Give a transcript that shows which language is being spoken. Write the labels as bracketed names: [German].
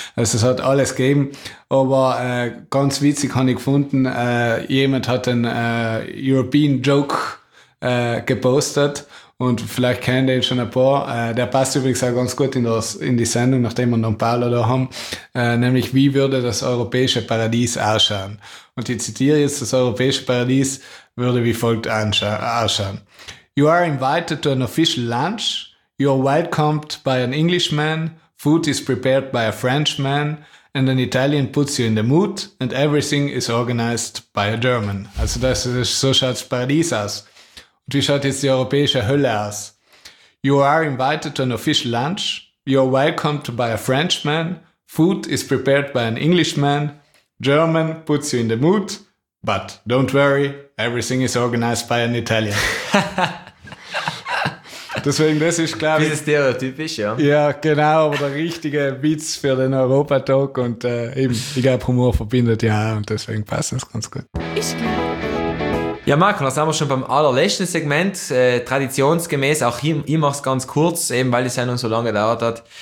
[German] Also es hat alles gegeben. Aber ganz witzig habe ich gefunden, jemand hat einen European Joke gepostet, und vielleicht kennt ihr ihn schon ein paar. Der passt übrigens auch ganz gut in die Sendung, nachdem wir Don Paolo da haben. Nämlich, wie würde das europäische Paradies ausschauen? Und ich zitiere jetzt: Das europäische Paradies würde wie folgt ausschauen. [English] You are invited to an official lunch. You are welcomed by an Englishman. Food is prepared by a Frenchman. And an Italian puts you in the mood. And everything is organized by a German. [German] Also so schaut das Paradies aus. Und wie schaut jetzt die europäische Hölle aus? [English] You are invited to an official lunch. You are welcomed by a Frenchman. Food is prepared by an Englishman. German puts you in the mood. But don't worry, everything is organized by an Italian. [German] Deswegen, das ist, glaube ich... Das ist stereotypisch, ja. Ja, genau, aber der richtige Witz für den Europa-Talk. Und eben, ich glaube, Humor verbindet ja, und deswegen passt das ganz gut. Ich glaube. Ja, Marco, dann sind wir schon beim allerletzten Segment. Traditionsgemäß, auch hier, ich mache es ganz kurz, eben weil die Sendung so lange gedauert hat.